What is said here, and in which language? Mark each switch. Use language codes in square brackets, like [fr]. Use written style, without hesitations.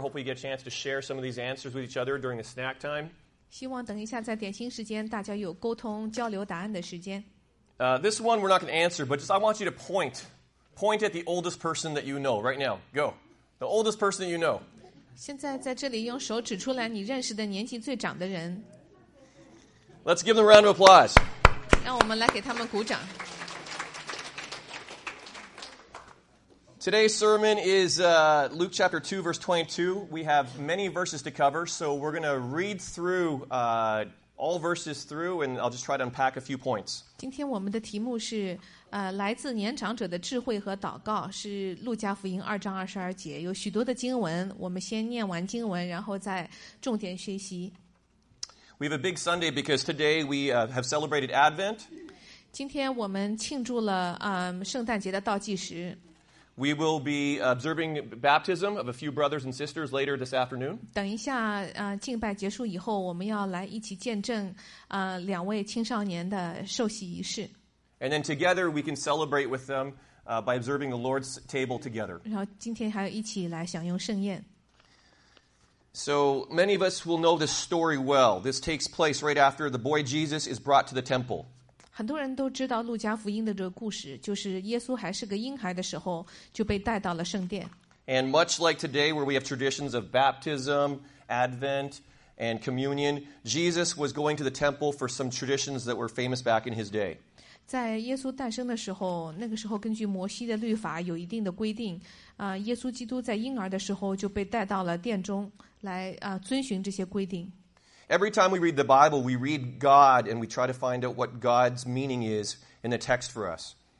[en] Hopefully, get a chance to share some of these answers with each other during the snack time. [zh] 希望等一下在点心时间，大家有沟通交流答案的时间。 [en] This one we're not going to answer, but just I want you to point. Point at the oldest person that you know right now. Go. The oldest person that you know. [zh] 现在在这里用手指出来你认识的年纪最长的人。 [en] Let's give them a round of applause. [zh] 让我们来给他们鼓掌。 [en] Today's sermon is Luke chapter 2, verse 22. We have many verses to cover, so we're going to read through all verses through, and I'll just try to unpack a few points. [zh] 今天我们的题目是来自年长者的智慧和祷告，是路加福音2:22，有许多的经文，我们先念完经文，然后再重点学习。 [en] We have a big Sunday because today we have celebrated Advent. [zh] 今天我们庆祝了圣诞节的倒计时。 [en] We will be observing baptism of a few brothers and sisters later this afternoon. [zh] 等一下，敬拜结束以后，我们要来一起见证两位青少年的受洗仪式。 [en] And then together we can celebrate with them by observing the Lord's table together. [zh] 然后今天还要一起来享用圣宴。 [en] So many of us will know this story well. This takes place right after the boy Jesus is brought to the temple. [zh] 很多人都知道路加福音的这个故事，就是耶稣还是个婴孩的时候就被带到了圣殿。 [en] And much like today, where we have traditions of baptism, Advent, and communion, Jesus was going to the temple for some traditions that were famous back in his day. [zh] 在耶稣诞生的时候，那个时候根据摩西的律法有一定的规定，耶稣基督在婴儿的时候就被带到了殿中来遵循这些规定。 [en] Every time we read the Bible, we read God and we try to find out what God's meaning is in the text for us.